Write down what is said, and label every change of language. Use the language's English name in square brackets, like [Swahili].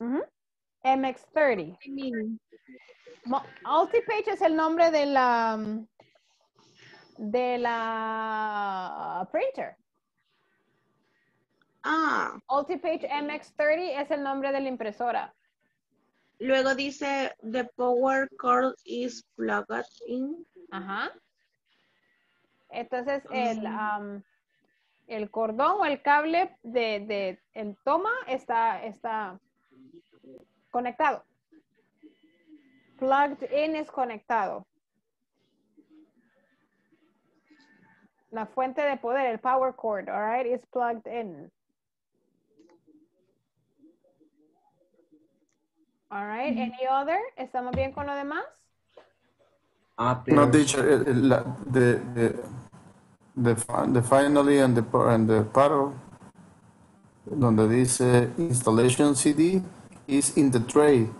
[Spanish] Mm-hmm. MX30. UltiPage es el nombre de la... De la printer. Ah. UltiPage MX30 es el nombre de la impresora. Luego dice, [English] the power cord is plugged in. Ajá. [Spanish] Entonces, el cordón o el cable de el toma está conectado. Plugged in es conectado. La fuente de poder, [English] el power cord, all right, is plugged in. All right, any other? [Spanish] ¿Estamos bien con lo demás? pero... [English] No, teacher, the finally and the paro, [Spanish] donde dice [English] installation CD, is in the tray.